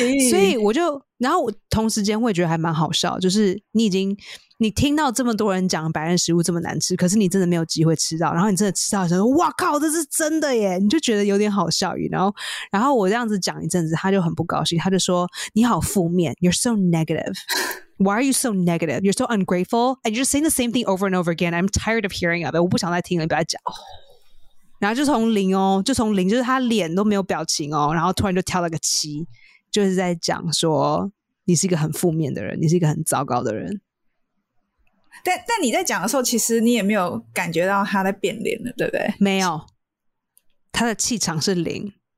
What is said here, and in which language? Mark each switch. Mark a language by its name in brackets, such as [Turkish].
[Chinese] 所以我就，然后同时间会觉得还蛮好笑，就是你听到这么多人讲白人食物这么难吃，可是你真的没有机会吃到，然后你真的吃到的时候，哇靠，这是真的耶！你就觉得有点好笑，然后我这样子讲一阵子，他就很不高兴，他就说：“你好负面 ， [English] You're so negative。” Why are you so negative? You're so ungrateful, and you're saying the same thing over and over again. I'm tired of hearing of it. [Chinese] 我不想再听了，你不要讲。然后就从零哦，就从零，就是他脸都没有表情哦，然后突然就跳了个七，就是在讲说你是一个很负面的人，你是一个很糟糕的人。但你在讲的时候，其实你也没有感觉到他在变脸了，对不对？没有，他的气场是零，